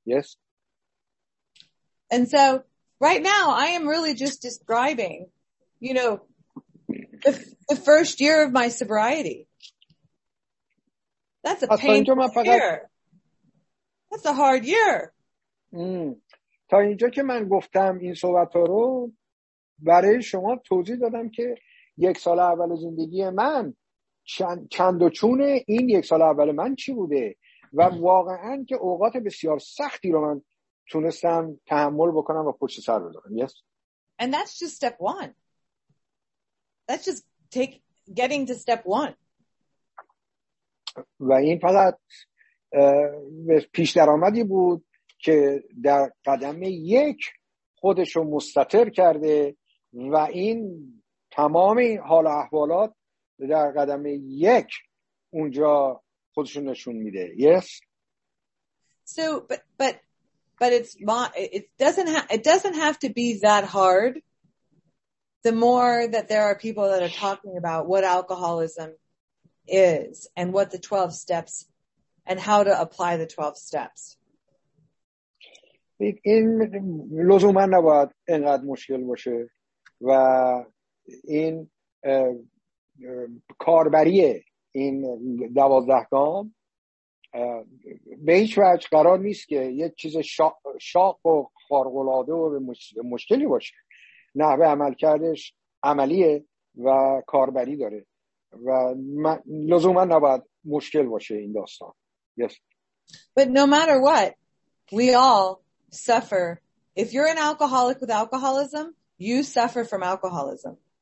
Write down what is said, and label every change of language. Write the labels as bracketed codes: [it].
[en] Yes. And so right now I am really just describing, you know, the first year of my sobriety. That's a painful year. That's a hard year. [fa] تا اینجا که من گفتم این صحبت ها رو برای شما توضیح دادم که یک سال اول زندگی من چند و چونه، این یک سال اول من چی بوده و واقعا که اوقات بسیار سختی رو من تونستم تحمل بکنم و پشت سر بذارم. [en] Yes. And that's just step one. That's just getting to step one. [fa] و این فقط پیش درآمدی بود که در قدم یک خودش رو مستتر کرده و این تمام حال و احوالات در قدم یک اونجا خودش رو نشون میده. [en] Yes. So but it doesn't have to be that hard. The more that there are people that are talking about what alcoholism is and what the 12 steps and how to apply the 12 steps. [fa] این لزوما نباید اینقدر مشکل باشه و این کاربری این 12 گام به هیچ وجه قرار نیست که یک چیز شاق و خارق‌العاده و مشکلی باشه. نحوه عمل کردش عملیه و کاربری داره و لزوما نباید مشکل باشه این داستان. [en] Yes. But no matter what, we all suffer. If you're an alcoholic with alcoholism, you suffer from alcoholism.